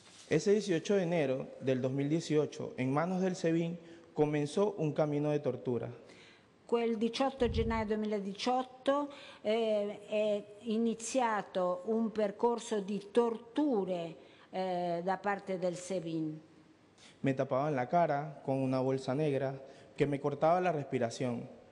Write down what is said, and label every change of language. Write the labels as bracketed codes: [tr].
[es] Ese 18 de enero del 2018, en manos del SEBIN, comenzó un camino de tortura. [it] Quel 18 gennaio 2018 è iniziato un percorso di torture da parte del SEBIN. [es] Me tapaban la cara con una bolsa negra que me cortaba la respiración.